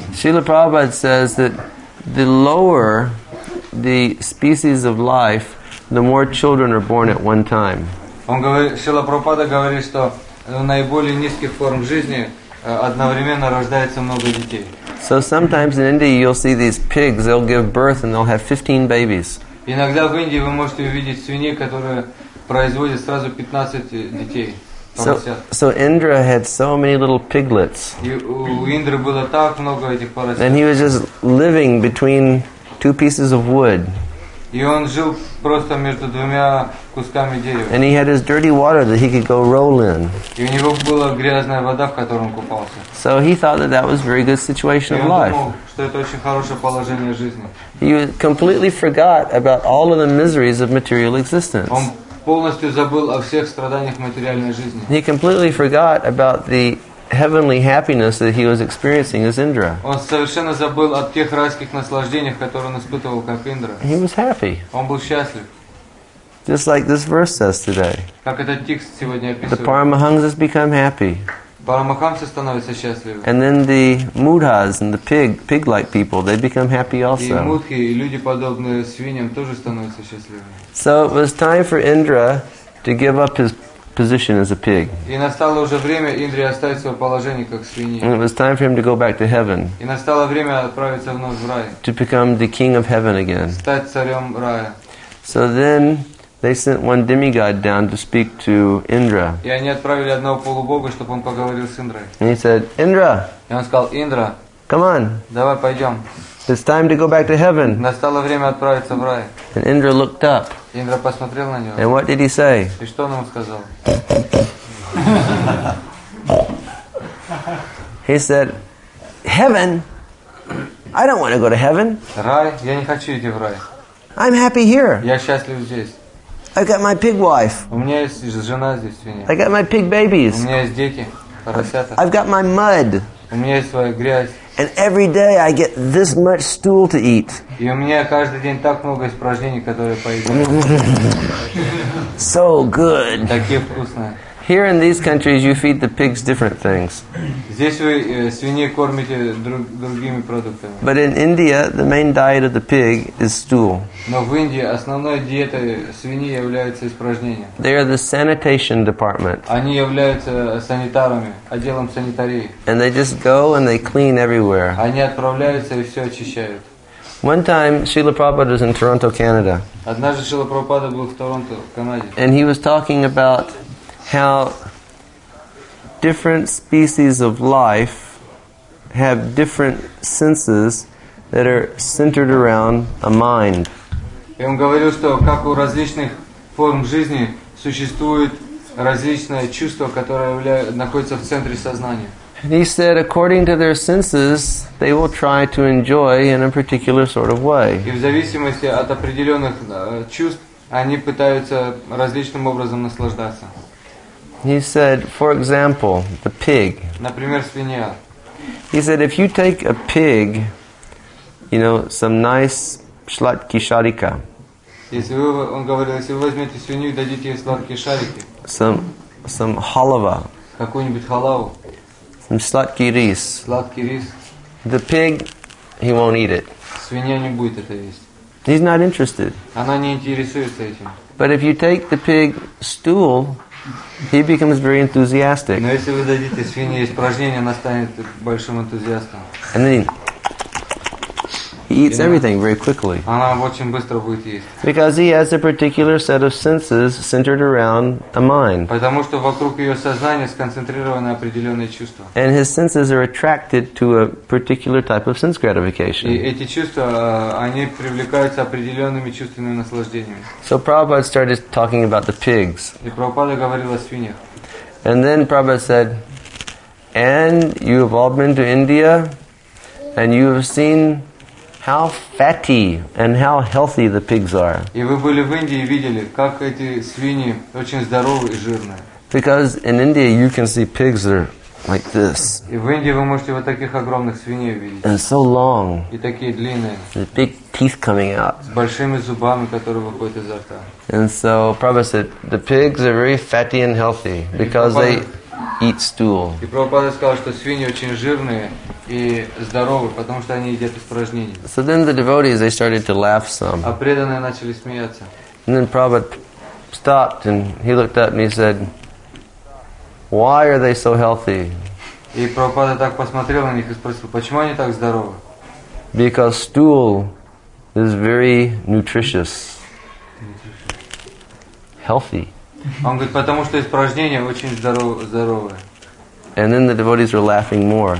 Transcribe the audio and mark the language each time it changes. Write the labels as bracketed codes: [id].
[en] Srila Prabhupada says that the lower the species of life, the more children are born at one time. [ru] Он говорит, Шрила Прабхупада говорит, что в наиболее низких форм жизни одновременно рождается много детей. [en] So sometimes in India you'll see these pigs, they'll give birth and they'll have 15 babies. [ru] Иногда в Индии вы можете увидеть свиней, которые производят сразу 15 детей. [en] So Indra had so many little piglets. [ru] У Индры было так много этих поросят. [en] And he was just living between two pieces of wood. [ru] И он жил просто между двумя кусками дерева. [en] And he had his dirty water that he could go roll in. [ru] И у него была грязная вода, в которой он купался. [en] So he thought that was a very good situation of life. [ru] И он думал, что это очень хорошее положение жизни. [en] He completely forgot about all of the miseries of material existence. [ru] Он полностью забыл о всех страданиях материальной жизни. [en] He completely forgot about the heavenly happiness that he was experiencing as Indra. [ru] Он совершенно забыл о тех райских наслаждениях, которые он испытывал как Индра. [en] He was happy. [ru] Он был счастлив. [en] Just like this verse says today. [ru] Как этот текст сегодня описывает. [en] The Paramahamsas become happy. [ru] Парамахамсы становятся счастливыми. [en] And then the mudhas and the pig-like people, they become happy also. [ru] И мудхи, и люди подобные свиньям тоже становятся счастливыми. [en] So it was time for Indra to give up his position as a pig. [ru] И настало уже время Индре оставить свое положение как свинья. [en] And it was time for him to go back to heaven. [ru] И настало время отправиться вновь в рай. [en] To become the king of heaven again. [ru] Стать царем рая. [en] So then they sent one demigod down to speak to Indra. [ru] И они отправили одного полубога, чтобы он поговорил с Индрой. [en] And he said, Indra, [ru] И он сказал: Индра, [en] come on. [ru] Давай пойдем. [en] It's time to go back to heaven. [ru] Настало время отправиться в рай. [en] And Indra looked up. [ru] Индра посмотрел на него. [en] And what did he say? [ru] И что он ему сказал? [en] He said, heaven? I don't want to go to heaven. [ru] Рай? Я не хочу идти в рай. [en] I'm happy here. [ru] Я счастлив здесь. [en] I got my pig wife. [ru] У меня есть жена здесь, свинья. [en] I got my pig babies. [ru] У меня есть дети, поросята. [en] I've got my mud. [ru] У меня есть своя грязь. [en] And every day I get this much stool to eat. [ru] И у меня каждый день так много испражнений, которые поедаю. [en] So good. [ru] Такие вкусные. [en] Here in these countries you feed the pigs different things. [ru] Здесь вы свиней кормите другими продуктами. [en] But in India the main diet of the pig is stool. [ru] Но в Индии основной диетой свиньи является испражнение. [en] They are the sanitation department. [ru] Они являются санитарами, отделом санитарии. [en] And they just go and they clean everywhere. [ru] Они отправляются и все очищают. [en] One time, Srila Prabhupada was in Toronto, Canada. [ru] Однажды Шрила Прабхупада был в Торонто, в Канаде. [en] And he was talking about how different species of life have different senses that are centered around a mind. [ru] И он говорил, что как у различных форм жизни существует различное чувство, которое находится в центре сознания. [en] He said, according to their senses, they will try to enjoy in a particular sort of way. [ru] И в зависимости от определенных чувств, они пытаются различным образом наслаждаться. [en] He said, for example, the pig. [ru] Например, свинья. [en] He said, if you take a pig, you know, some nice [ru] шладки шарика. Если вы, он говорил, если вы возьмете свинью и дадите ей сладкие шарики. [en] Some халава. [ru] Какую-нибудь халаву. [en] Some [ru] сладкий рис. Сладкий рис. [en] The pig, he won't eat it. [ru] Свинья не будет это есть. [en] He's not interested. [ru] Она не интересуется этим. [en] But if you take the pig stool, he becomes very enthusiastic. [ru] Но если вы дадите свинье испражнение, она станет большим энтузиастом. [en] And then he eats everything very quickly. [ru] Она очень быстро будет есть. [en] Because he has a particular set of senses centered around a mind. [ru] Потому что вокруг ее сознания сконцентрированы определенные чувства. [en] And his senses are attracted to a particular type of sense gratification. [ru] И эти чувства, они привлекаются определенными чувственными наслаждениями. [en] So Prabhupada started talking about the pigs. [ru] И Прабхупада говорил о свиньях. [en] And then Prabhupada said, and you have all been to India, and you have seen how fatty and how healthy the pigs are. [ru] И вы были в Индии и видели, как эти свиньи очень здоровые и жирные. [en] Because in India you can see pigs are like this. [ru] И в Индии вы можете вот таких огромных свиней видеть. [en] And so long. [ru] И такие длинные. [en] With big teeth coming out. [ru] С большими зубами, которые выходят изо рта. [en] And so Prabhupada said, the pigs are very fatty and healthy because they eat stool. [ru] И Прабхупада сказал, что свиньи очень жирные и здоровые, потому что они едят испражнения. [en] So then the devotees, they started to laugh some. [ru] А преданные начали смеяться. [en] And then Prabhupada stopped and he looked up and he said, why are they so healthy? [ru] И Прабхупада так посмотрел на них и спросил, почему они так здоровы? [en] Because stool is very nutritious. Healthy. [ru] Он говорит, потому что испражнения очень здоровые. [en] And then the devotees were laughing more.